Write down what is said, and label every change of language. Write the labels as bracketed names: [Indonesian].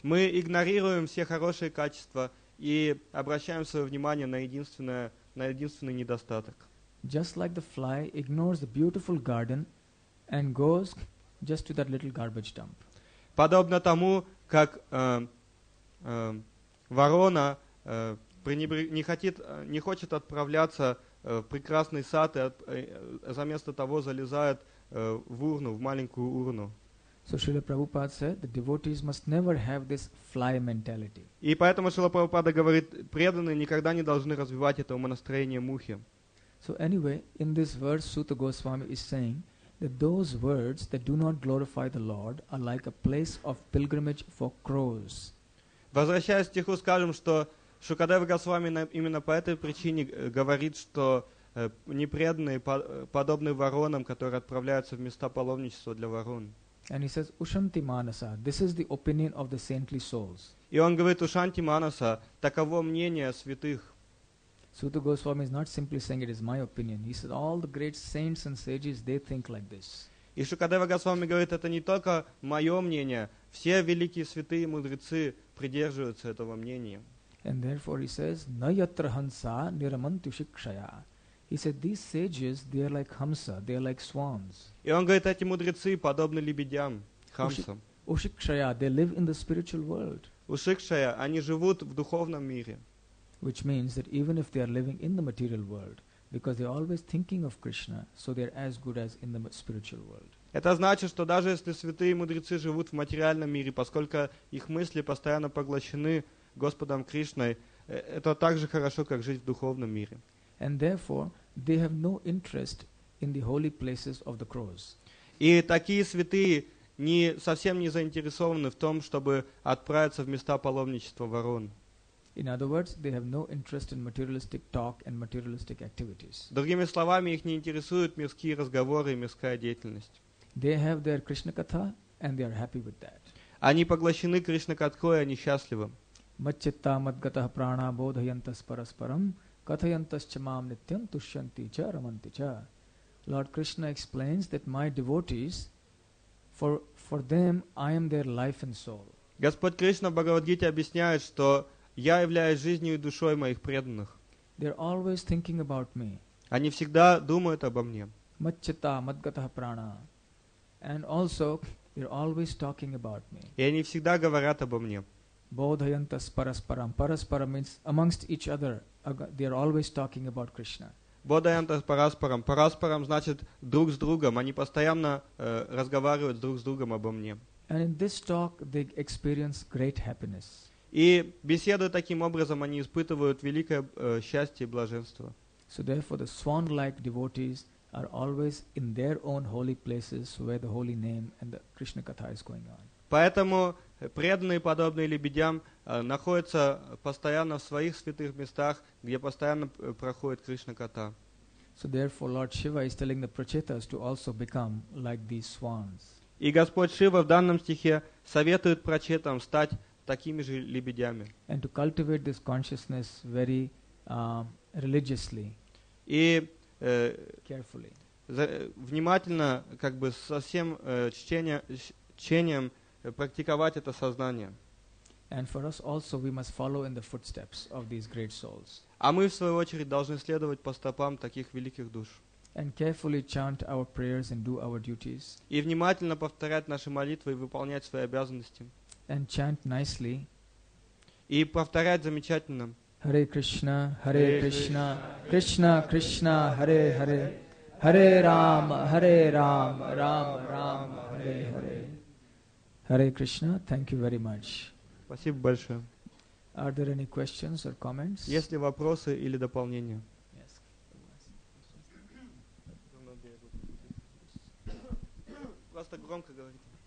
[Russian] Мы игнорируем все хорошие качества и обращаем свое внимание на единственный недостаток. [English] Just like the fly ignores the beautiful garden and goes just to that little garbage dump. [Russian] Подобно тому, как ворона не хочет отправляться в прекрасный сад и за место того залезает в урну, в маленькую урну. [English] So Srila Prabhupada said, the devotees must never have this fly mentality. [Russian] И поэтому Шрила Прабхупада говорит, преданные никогда не должны развивать это умонастроение мухи. [English] So anyway, in this verse, Suta Goswami is saying that those words that do not glorify the Lord are like a place of pilgrimage for crows. [Russian] Возвращаясь к стиху, скажем, что Шукадева Госвами именно по этой причине говорит, что непреданные подобны воронам, которые отправляются в места паломничества для ворон. [English] And he says, Ushanti Manasa, this is the opinion of the saintly souls. [Russian] И он говорит, Ушанти Манаса, таково мнение святых. [English] Suta Goswami is not simply saying it is my opinion. He says, all the great saints and sages, they think like this. [Russian] И Шукадева Госвами говорит, это не только мое мнение, все великие святые мудрецы придерживаются этого мнения. [English] And therefore he says, [Sanskrit] Nayatra Hansa Niramantu Shikshaya. [English] He said, these sages, they are like Hamsa, they are like swans. [Russian] И он говорит, эти мудрецы подобны лебедям, хамсам. [English] Ушикшая, they live in the spiritual world. [Russian] Ушикшая, они живут в духовном мире. [English] Which means that even if they are living in the material world, because they are always thinking of Krishna, so they are as good as in the spiritual world. [Russian] Это значит, что даже если святые мудрецы живут в материальном мире, поскольку их мысли постоянно поглощены Господом Кришной, это так же хорошо, как жить в духовном мире. [English] And therefore, they have no interest in the holy places of the crows. [Russian] И такие святые не совсем не заинтересованы в том, чтобы отправиться в места паломничества ворон. [English] In other words, they have no interest in materialistic talk and materialistic activities. [Russian] Другими словами, их не интересуют мирские разговоры и мирская деятельность. [English] They have their Krishna katha and they are happy with that. [Russian] Они поглощены Кришна катхой, они счастливы. [Sanskrit] Matchitta madgata prana bodhayantas parasparam kathayantas chamam nityam tushyanti cha ramanti cha. [English] Lord Krishna explains that my devotees, for them, I am their life and soul. [Russian] Господь Кришна в Бхагавад-гите объясняет, что я являюсь жизнью и душой моих преданных. [English] They're always thinking about me. [Russian] Они всегда думают обо мне. [Sanskrit] Matchitta madgata prana. [English] And also, they're always talking about me. [Russian] И они всегда говорят обо мне. [Sanskrit] Bodhayantas parasparam. [English] Parasparam means amongst each other. They're always talking about Krishna. [Sanskrit] Bodhayantas parasparam. [Russian] Parasparam значит друг с другом. Они постоянно разговаривают друг с другом обо мне. [English] And in this talk, they experience great happiness. [Russian] И беседуя таким образом, они испытывают великое счастье и блаженство. [English] So therefore, the swan-like devotees are always in their own holy places where the holy name and the Krishna katha is going on. [Russian] Поэтому преданные подобные лебедям находятся постоянно в своих святых местах, где постоянно проходит Кришна катха. [English] So therefore Lord Shiva is telling the prachetas to also become like these swans. [Russian] И Господь Шива в данном стихе советует прачетам стать такими же лебедями. [English] And to cultivate this consciousness very religiously. [Russian] И [English] carefully. [Russian] Внимательно, как бы со всем чтением практиковать это сознание. [English] And for us also we must follow in the footsteps of these great souls. [Russian] А мы в свою очередь должны следовать по стопам таких великих душ. [English] And carefully chant our prayers and do our duties. [Russian] И внимательно повторять наши молитвы и выполнять свои обязанности. [English] And chant nicely. [Russian] И повторять замечательно. [Sanskrit] Hare Krishna, Hare Krishna, Krishna Krishna, Hare Hare, Hare Rama, Hare Rama, Rama Rama, Hare Hare. [English] Hare Krishna, thank you very much. [Russian] Спасибо большое. [English] Are there any questions or comments? [Russian] Есть ли вопросы или дополнения? Просто громко говорите.